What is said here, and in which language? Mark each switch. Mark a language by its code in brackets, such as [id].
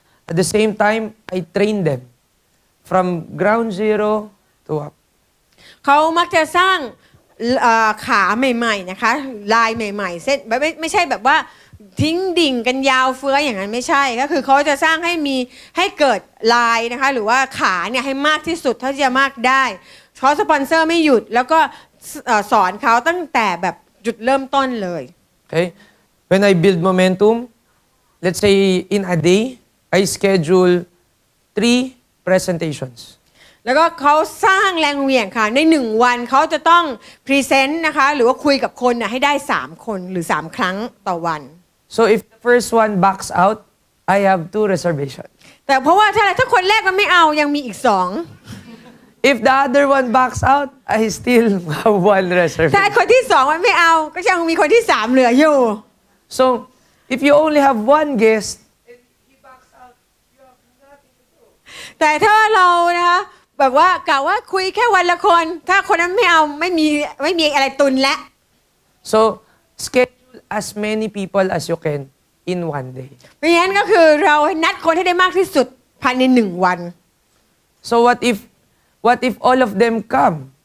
[en] At the same time, I train them from ground zero to up. [th] เขามักจะสร้างขาใหม่ๆนะคะลายใหม่ๆเส้นไม่ใช่แบบว่าทิ้งดิ่งกันยาวเฟื้ออย่างนั้นไม่ใช่ก็คือเขาจะสร้างให้เกิดลายนะคะหรือว่าขาเนี่ยให้มากที่สุดเท่าที่จะมากได้เขาสปอนเซอร์ไม่หยุดแล้วก็สอนเขาตั้งแต่แบบจุดเริ่มต้นเลย [en] Okay. When I build momentum, let's say in a day, I schedule 3 presentations. [th] แล้วก็เขาสร้างแรงเหวี่ยงค่ะใน1วันเขาจะต้องพรีเซนต์นะคะหรือว่าคุยกับคนน่ะให้ได้3คนหรือ3ครั้งต่อวัน [en] So if the first one backs out, I have 2 reservations. [th] แต่เพราะว่าถ้าคนแรกมันไม่เอายังมีอีก2 [en] If the other one backs out, I still have 1 reservation. [th] ถ้าคนที่2มันไม่เอาก็ยังมีคนที่3เหลืออยู่ [en] So, if you only have one guest, if he backs out, you have nothing to do. But if we, like, [th] แบบว่ากล่าวว่าคุยแค่วันละคนถ้าคนนั้นไม่เอาไม่มีอะไรตุนแล้ว [en] So, schedule as many people as you can in one day. [th] เพราะงั้นก็คือเรานัดคนให้ได้มากที่สุดภายใน1วัน [en] So, what if all of them come?